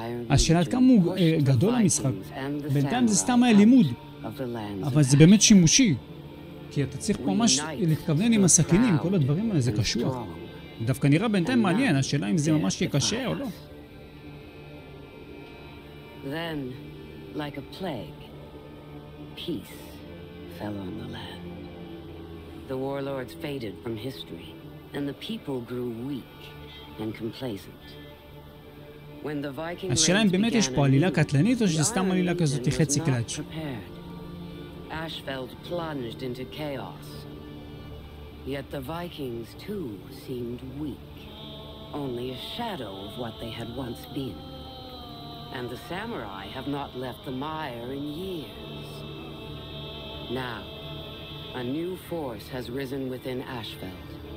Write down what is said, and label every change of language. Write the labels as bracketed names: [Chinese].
[Hebrew] השאלה, עד כמה הוא גדול המשחק? בינתיים זה סתם היה לימוד. אבל זה באמת שימושי. כי אתה צריך פה ממש להתכוונן עם הסכינים, כל הדברים האלה, זה קשוח. דווקא נראה בינתיים מעניין, השאלה אם זה ממש יהיה קשה או לא. [English] Then, like a plague, peace fell on the land. The warlords faded from history, and the people grew weak and complacent. When the Viking raids began, [Hebrew] באמת יש פה עלילה קטלנית, או שזה סתם עלילה כזאת חצי קלאץ'? [English] Ashfeld plunged into chaos. Yet the Vikings too seemed weak, only a shadow of what they had once been. And the samurai have not left the mire in years. Now, a new force has risen within Ashfeld.